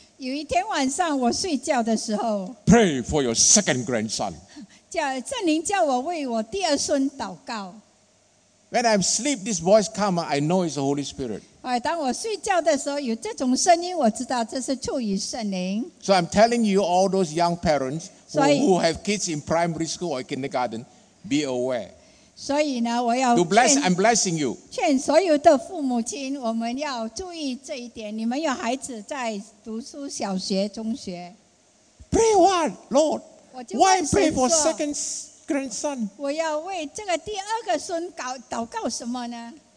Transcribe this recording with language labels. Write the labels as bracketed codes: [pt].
[zh] 有一天晚上我睡觉的时候。 [en] Pray for your second grandson. [zh] 圣灵叫我为我第二孙祷告。 [en] When I'm asleep, this voice comes, I know it's the Holy Spirit. [zh] 当我睡觉的时候有这种声音，我知道这是出于圣灵。 [en] So I'm telling you, all those young parents who have kids in primary school or kindergarten, be aware. [zh] 所以呢，我要 [en] to bless, I'm blessing you. [zh] 劝所有的父母亲，我们要注意这一点。你们有孩子在读书，小学、中学。 [en] Pray what, Lord? Why pray for second grandson? [zh] 我要为这个第二个孙祷告什么呢？